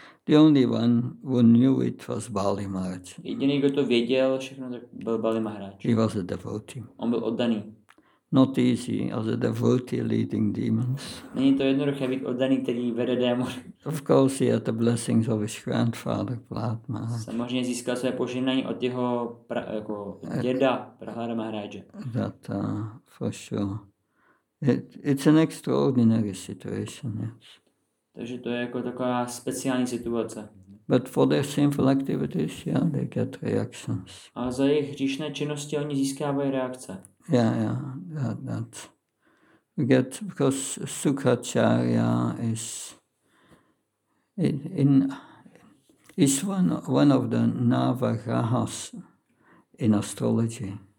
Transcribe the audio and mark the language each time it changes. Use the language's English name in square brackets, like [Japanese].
[English] The only one who knew it was Bali Maharaj. [Czech] Jediný, kdo to věděl, všechno byl Bali Maharaj. [English] He was a devotee. [Czech] On byl oddaný. [English] Not easy as a devotee leading demons. [Czech] Není to jednoduché být oddaný, který vede démony. [English] Of course, he had the blessings of his grandfather, Prahlad Maharaj. [Czech] Samozřejmě získal své požehnání od jeho jako děda, Prahlada Maharaja. [English] That for sure. It's an extraordinary situation, yes. [Czech] Takže to je jako taková speciální situace. [English] But for their sinful activities, yeah, they get reactions. [Czech] A za jejich hříšné činnosti oni získávají reakce. [English] Yeah, that. We get, because Shukracharya is is one of the Navagrahas in astrology.